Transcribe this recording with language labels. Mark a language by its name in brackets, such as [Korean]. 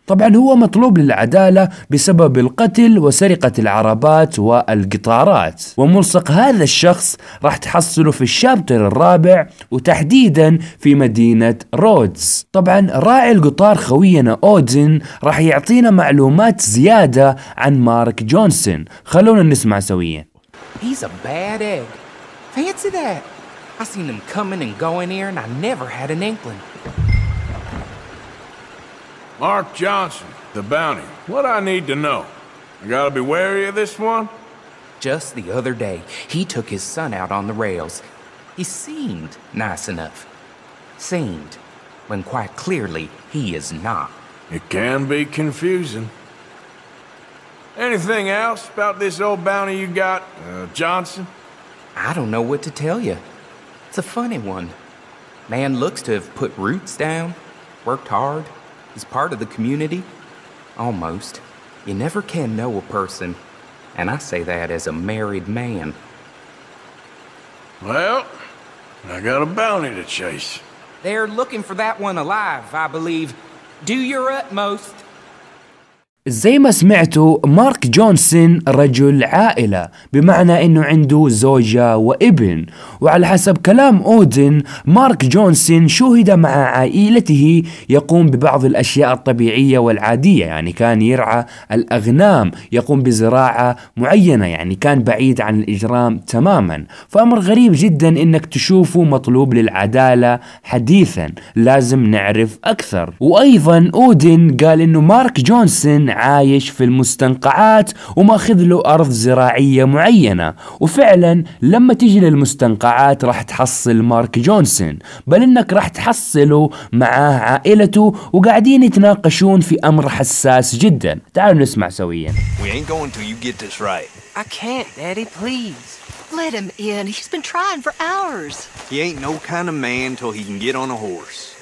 [Arabic] طبعا هو مطلوب للعدالة بسبب القتل وسرقة العربات والقطارات، وملصق هذا الشخص راح تحصله في الشابتر الرابع، وتحديدا في مدينة رودز. طبعا راعي القطار خوينا أودين راح يعطينا معلومات زيادة عن مارك جونسون. خلونا نسمع سويا. [English] He's a bad egg. Fancy that. I seen them coming and going here, and I never had an inkling. Mark Johnson, the bounty. What I need to know? You gotta be wary of this one? Just the other day, he took his son out on the rails. He seemed nice enough. Seemed, when quite clearly, he is not. It can be confusing. Anything else about this old bounty you got, Johnson? I don't know what to tell you. It's a funny one. Man looks to have put roots down, worked hard, is part of the community. Almost. You never can know a person, and I say that as a married man. Well, I got a bounty to chase. They're looking for that one alive, I believe. Do your utmost. [Arabic] زي ما سمعتوا، مارك جونسون رجل عائلة، بمعنى انه عنده زوجة وابن. وعلى حسب كلام أودين، مارك جونسون شهد مع عائلته يقوم ببعض الاشياء الطبيعية والعادية، يعني كان يرعى الاغنام، يقوم بزراعة معينة، يعني كان بعيد عن الاجرام تماما. فامر غريب جدا انك تشوفه مطلوب للعدالة حديثا، لازم نعرف اكثر. وايضا أودين قال انه مارك جونسون عايش في المستنقعات وماخذ له أرض زراعية معينة. وفعلا لما تجي للمستنقعات راح تحصل مارك جونسون، بل انك راح تحصله معاه عائلته وقاعدين يتناقشون في أمر حساس جدا. تعالوا نسمع سويا. [English] We ain't going till you get this right. I can't, daddy, please. Let him in. He's been trying for hours. He ain't no kind of man till he can get on a horse.